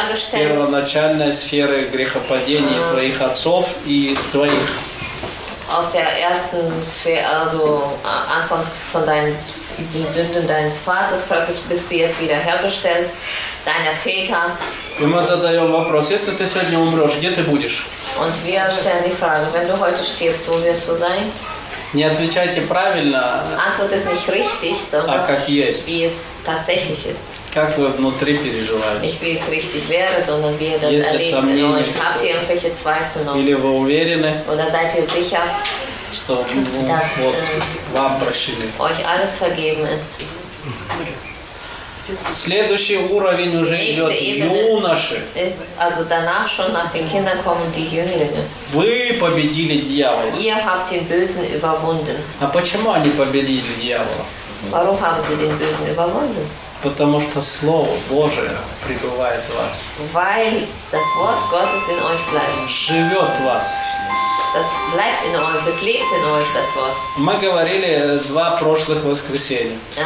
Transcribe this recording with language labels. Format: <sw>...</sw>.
<ru>первоначальной сферы грехопадения твоих отцов и</ru> <de>aus der ersten Sphäre, also anfangs von den Sünden deines Vaters, praktisch bist du jetzt wieder hergestellt, deiner Väter. Und wir stellen die Frage, wenn du heute stirbst, wo wirst du sein? Antwortet nicht richtig, sondern wie es tatsächlich ist.</de> <ru>Как вы внутри переживаете?</ru> <de>Nicht wie es richtig wäre, sondern wie ihr das erlebt.</de> <ru>Если сомнения, или</ru> <de>habt ihr irgendwelche Zweifel noch?</de> <ru>Или вы уверены?</ru> <de>Oder seid ihr sicher,</de> <ru>что, dass вот, вам прощены?</ru> <de>Euch alles vergeben ist?</de> <ru>Следующий уровень уже идет юноши.</ru> <de>Ist, also danach schon nach den Kindern kommen die Jünglinge.</de> <ru>Вы победили дьявола.</ru> <de>Ihr habt den Bösen überwunden.</de> <ru>А почему они победили дьявола?</ru> <de>Warum haben sie den Bösen überwunden?</de> <ru>Потому что Слово Божие пребывает в вас.</ru> <de>Weil das Wort Gottes in euch bleibt.</de> <ru>Живет в вас.</ru> <de>Das bleibt in euch, das lebt in euch, das Wort.</de> <ru>Мы говорили два прошлых воскресенья.</ru>